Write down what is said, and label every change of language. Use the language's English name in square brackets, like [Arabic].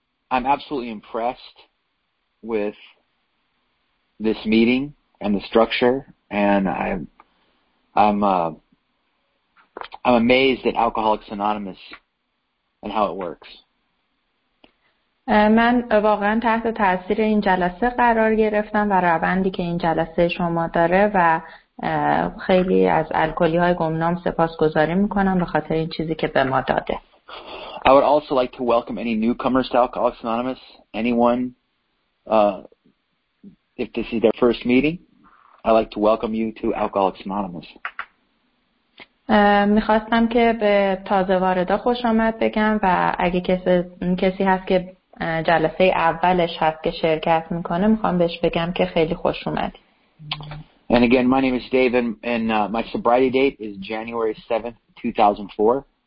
[English] I'm absolutely impressed with this meeting and the structure, and I'm amazed at Alcoholics Anonymous and how it works. [Persian] من واقعا تحت تاثیر این جلسه قرار گرفتم و روندی که این جلسه شما داره و خیلی از الکلی‌های گمنام سپاسگزاری می‌کنم به خاطر این چیزی که به ما داده. [English] I would also like to welcome any newcomers to Alcoholics Anonymous. Anyone if this is their first meeting, I'd like to welcome you to Alcoholics Anonymous. [Persian] می‌خواستم که به تازه واردا خوش آمد بگم و اگه کسی هست که جلسه اولش هست که شرکت میکنه میخوام بهش بگم که خیلی خوش اومد. [English] And again, my name is Dave and my sobriety date is January 7th, 2004.